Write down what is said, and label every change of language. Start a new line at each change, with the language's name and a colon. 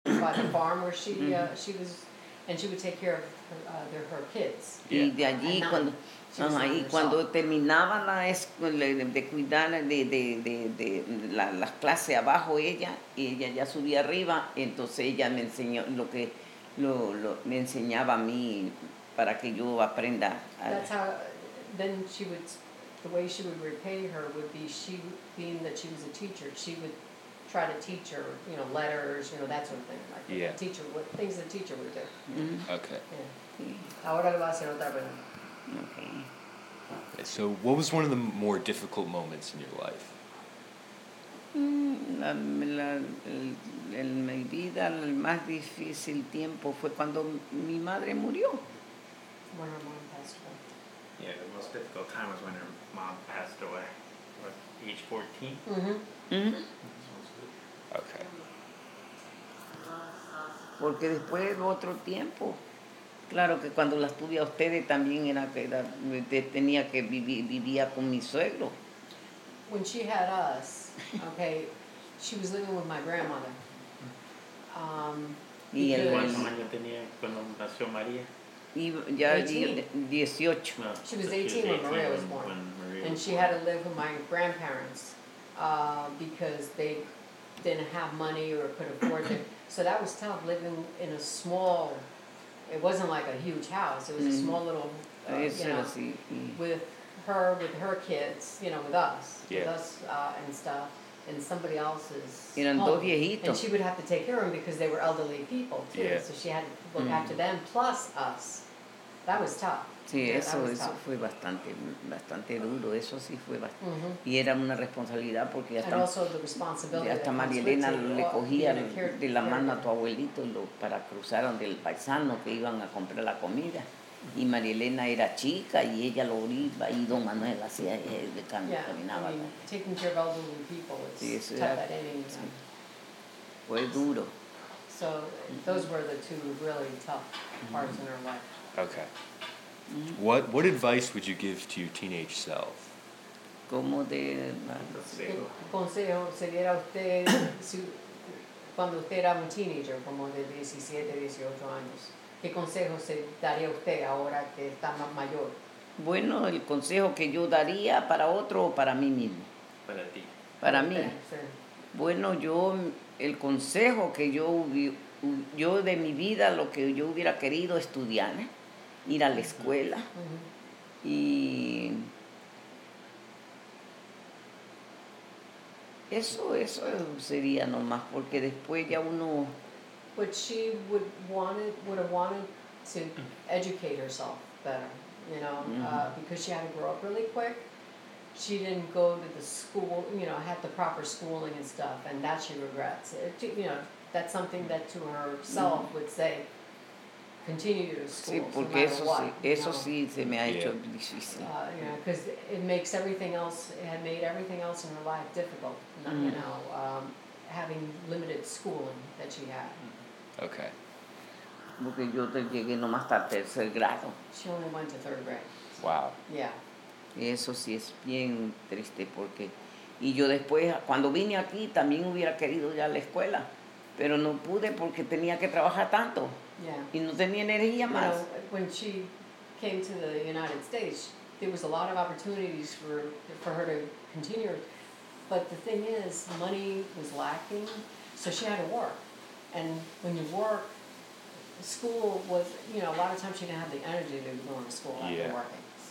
English: by the farm where she she was, and she would take care of her, her kids.
Spanish: Yeah. Y de allí
English: at
Spanish: cuando y cuando terminaba la escuela de cuidar de la, las clases abajo ella, y ella ya subía arriba, entonces ella me enseñó lo que lo me enseñaba a mí para que yo aprenda.
English: That's how, then she would, the way she would repay her would be, she, being that she was a teacher, she would try to teach her, you know, letters, you know, that sort of thing. Like yeah. The teacher, what, things the teacher would do. Mm-hmm. Okay.
Spanish: Yeah. Ahora lo va a hacer otra vez.
English: Okay. So what was one of the more difficult moments in your life?
Spanish: En mi vida, el más difícil tiempo fue cuando mi madre murió.
English: When her mom passed away. Yeah, the most difficult time was when her mom passed away. What, age 14? Mm-hmm. Okay.
Spanish: Porque después de otro tiempo... Claro que cuando las tuve a ustedes también era que era, tenía que vivía con mi suegro.
English: When she had us, okay, she was living with my grandmother.
Spanish: Y el ¿cuántos años tenía cuando nació María? Y ya 18.
English: No, she was 18 when Maria was born. And she had to live with my grandparents because they didn't have money or could afford it. So that was tough, living in a small... It wasn't like a huge house. It was a small little, with her, kids, you know, with us. Yeah. With us and stuff. And somebody else's
Spanish: eran dos viejitos.
English: And she would have to take care of them because they were elderly people, too. Yeah. So she had to look after them plus us. That was tough.
Spanish: Sí,
English: yeah,
Spanish: eso,
English: that was
Spanish: eso
English: tough.
Spanish: Fue bastante, bastante duro. Eso sí fue bastante. Y era una responsabilidad porque hasta...
English: And also the responsibility.
Spanish: Hasta María Elena le cogía de la mano a tu abuelito lo, para cruzar donde el paisano que iban a comprar la comida. Y María Elena era chica y ella lo iba y don Manuel hacía el cambio,
English: yeah,
Spanish: caminaba.
English: I mean, taking care of elderly people, it's tough at any time.
Spanish: Sí. Fue duro.
English: So those were the two really tough parts in her life. Okay. What advice would you give to your teenage self?
Spanish: ¿Cómo de consejo sería usted cuando usted era un teenager, como de 17, 18 años? ¿Qué consejo se daría usted ahora que está más mayor? Bueno, el consejo que yo daría para otro o para mí mismo. Para ti. Para mí. Sí. Bueno, yo el consejo que yo de mi vida lo que yo hubiera querido estudiar. Ir a la escuela y eso sería nomás porque después ya uno
English: but she would have wanted to educate herself better, you know, because she had to grow up really quick. She didn't go to the school, you know, had the proper schooling and stuff, and that she regrets it, you know, that's something that to herself would say continue to school,
Spanish: sí, porque
English: no matter
Spanish: eso Sí se me ha hecho
English: yeah.
Spanish: difícil.
English: You know, because it makes everything else, it had made everything else in her life difficult, you know, having limited schooling that she had. Okay.
Spanish: Porque yo llegué nomás hasta tercer grado.
English: She only went to third grade. Wow. Yeah.
Spanish: Eso sí es bien triste porque... Y yo después, cuando vine aquí, también hubiera querido ir a la escuela, pero no pude porque tenía que trabajar tanto.
English: Yeah.
Spanish: Y no tenía energía más.
English: You know, when she came to the United States, there was a lot of opportunities for her to continue. But the thing is, money was lacking, so she had to work. And when you work, school was, you know, a lot of times she didn't have the energy to go to school after working.